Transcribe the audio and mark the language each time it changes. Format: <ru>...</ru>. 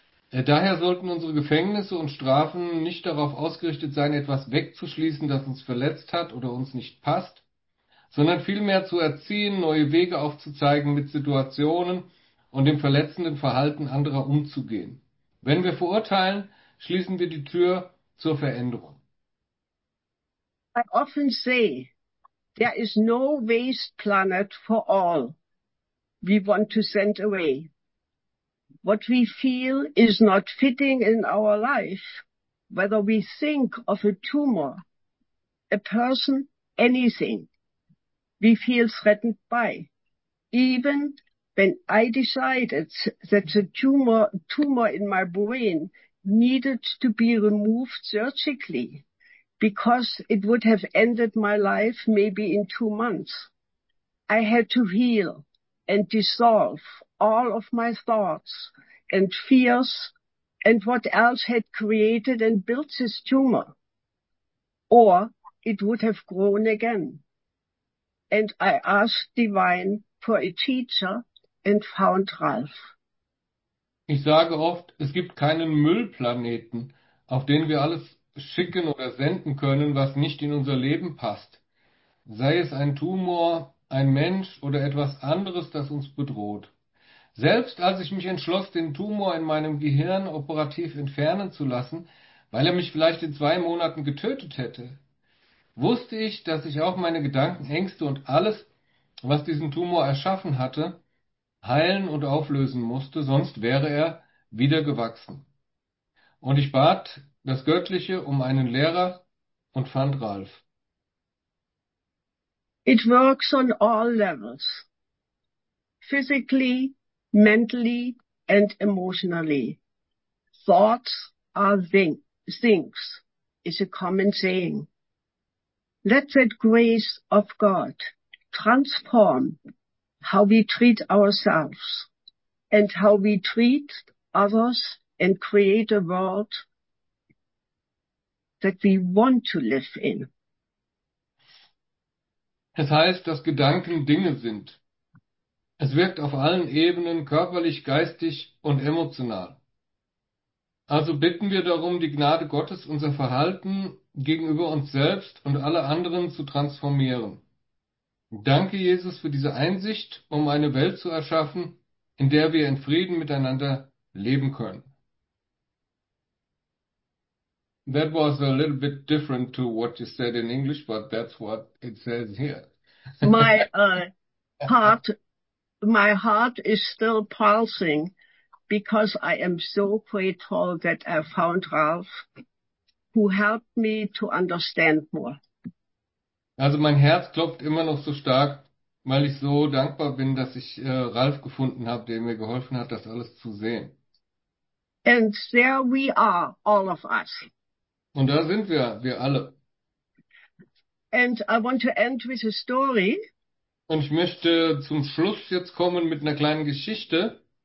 <de>Daher sollten unsere Gefängnisse und Strafen nicht darauf ausgerichtet sein, etwas wegzuschließen, das uns verletzt hat oder uns nicht passt, sondern vielmehr zu erziehen, neue Wege aufzuzeigen, mit Situationen und dem verletzenden Verhalten anderer umzugehen. Wenn wir verurteilen, schließen wir die Tür zur Veränderung.</de> <en>I often say, there is no waste planet for all we want to send away. What we feel is not fitting in our life, whether we think of a tumor, a person, anything we feel threatened by. Even when I decided that a tumor in my brain needed to be removed surgically, because it would have ended my life maybe in 2 months. I had to heal and dissolve all of my thoughts and fears and what else had created and built this tumor. Or it would have grown again. And I asked Divine for a teacher and found Ralph.</en> <de>Ich sage oft, es gibt keinen Müllplaneten, auf den wir alles schicken oder senden können, was nicht in unser Leben passt. Sei es ein Tumor, ein Mensch oder etwas anderes, das uns bedroht. Selbst als ich mich entschloss, den Tumor in meinem Gehirn operativ entfernen zu lassen, weil er mich vielleicht in 2 Monaten getötet hätte, wusste ich, dass ich auch meine Gedanken, Ängste und alles, was diesen Tumor erschaffen hatte, heilen und auflösen musste, sonst wäre er wieder gewachsen. Und ich bat das Göttliche um einen Lehrer und fand Ralf.</de> <en>It works on all levels, physically, mentally, and emotionally. Thoughts are things, is a common saying. Let that grace of God transform how we treat ourselves and how we treat others and create a world that we want to live in.</en> <de>Es heißt, dass Gedanken Dinge sind. Es wirkt auf allen Ebenen, körperlich, geistig und emotional. Also bitten wir darum, die Gnade Gottes, unser Verhalten gegenüber uns selbst und alle anderen zu transformieren. Danke, Jesus, für diese Einsicht, um eine Welt zu erschaffen, in der wir in Frieden miteinander leben können.</de> <en>That was a little bit different to what you said in English, but that's what it says here. My heart is still pulsing because I am so grateful that I found Ralph, who helped me to understand more.</en> <de>Also mein Herz klopft immer noch so stark, weil ich so dankbar bin, dass ich Ralf gefunden habe, der mir geholfen hat, das alles zu sehen.</de> <en>And there we are, all of us.</en> <de>Und da sind wir alle.</de> <en>And I want to end with a story.</en> <de>Und ich möchte zum Schluss jetzt kommen mit einer kleinen Geschichte.</de>